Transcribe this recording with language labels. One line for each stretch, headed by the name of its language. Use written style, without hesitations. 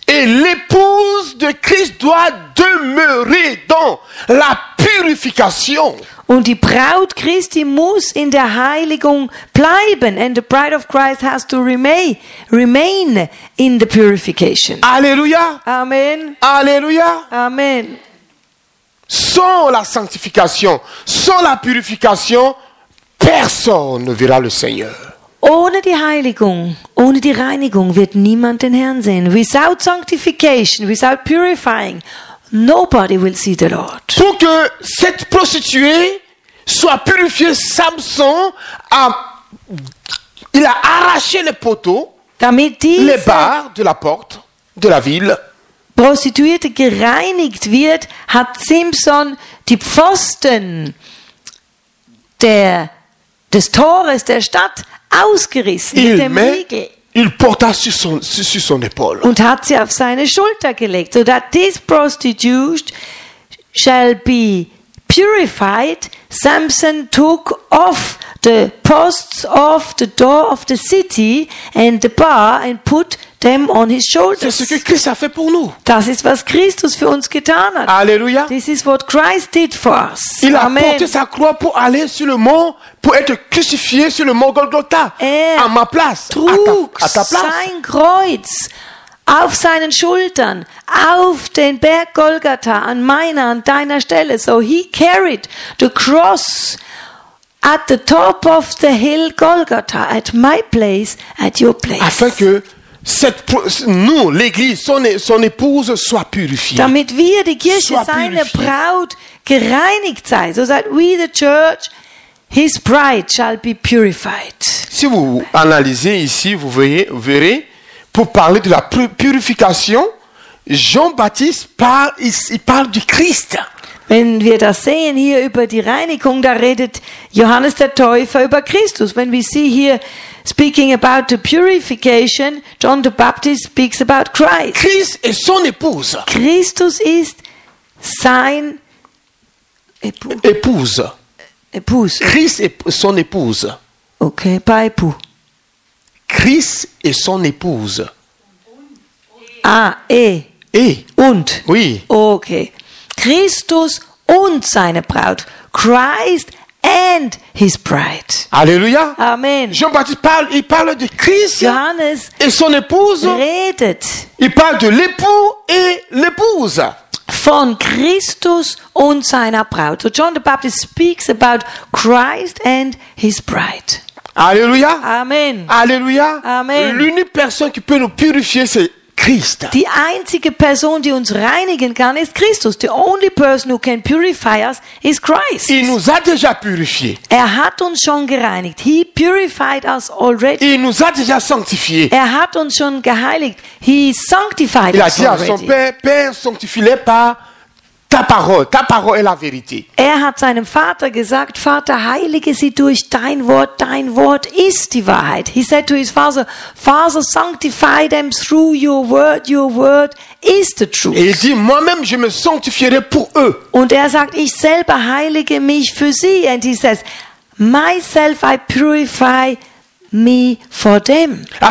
French: Et l'épouse de Christ doit demeurer dans la purification.
German: Und die Braut Christi muss in der Heiligung bleiben.
English: And the bride of Christ has to remain in the purification.
French: Alléluia. Amen. Alléluia. Amen. Sans la sanctification, sans la purification, personne ne verra le Seigneur.
German: Ohne die Heiligung, ohne die Reinigung wird niemand den Herrn sehen.
English: Without sanctification, without purifying, nobody will see the Lord.
French: Pour que cette prostituée soit purifiée, Samson a, il a arraché les poteaux, les barres de la porte de la ville.
German: Prostituierte gereinigt wird, hat Simson die Pfosten des Tores der Stadt ausgerissen
French: il
German: mit dem Riegel.
French: Il porta sur son épaule.
German: Und hat sie auf seine Schulter gelegt,
English: so that this prostitute shall be purified. Samson took off the posts of the door of the city and the bar and put them on his shoulders.
French: C'est ce que Christ a fait pour nous.
German: Das ist, was Christus für uns getan hat.
French: Alléluia.
English: This is what Christ did for us.
French: Il a porté sa croix pour aller sur le mont, pour être crucifié sur le mont Golgotha. À ma place. À ta place.
German: Sein Kreuz auf seinen Schultern, auf den Berg Golgatha, an meiner, an deiner Stelle.
English: So he carried the cross at the top of the hill Golgatha, at my place, at your place.
French: Afin que nous, l'Église, son épouse, soit purifiée.
German: Damit wir, die Kirche, seine Braut gereinigt sei.
English: So that we, the church, his bride, shall be purified.
French: Si vous analysez ici, vous verrez, pour parler de la purification, Jean-Baptiste parle du Christ.
German: Wenn wir das sehen hier über die Reinigung, da redet Johannes der Täufer über Christus.
English: When we see here speaking about the purification, John the Baptist speaks about Christ.
French: Christ est son épouse.
German: Christus ist sein
French: épouse. Épouse. Christ est son épouse. OK, pas époux. Christ et son épouse. Ah, et. Und. Oui.
German: Ok. Christus und seine Braut.
English: Christ and his bride.
French: Alléluia. Amen. Jean-Baptiste parle, il parle de Christ
German: Johannes
French: et son épouse.
German: Redet.
French: Il parle de l'époux et l'épouse.
German: Von Christus und seiner Braut.
English: So John the Baptist speaks about Christ and his bride.
French: Alléluia. Amen. Alléluia. Amen. L'unique personne qui peut nous purifier, c'est Christ.
German: Die einzige Person, die uns reinigen kann, ist Christus.
English: The only person who can purify us is Christ.
French: Il nous a déjà purifié.
German: Er hat uns schon gereinigt.
English: He purified us already.
French: Il nous a déjà sanctifié.
German: Er hat uns schon geheiligt.
English: He sanctified us already.
French: Il a dit à son père, sanctifie-les par ta parole est la vérité.
German: Er hat seinem Vater gesagt, Vater, heilige sie durch dein Wort ist die Wahrheit.
English: He said to his father, Father, sanctify them through your word is the truth.
French: Et il dit, moi-même, je me sanctifierai pour eux.
German: Und er sagt, ich selber heilige mich für sie.
English: And he says, myself I purify me for them.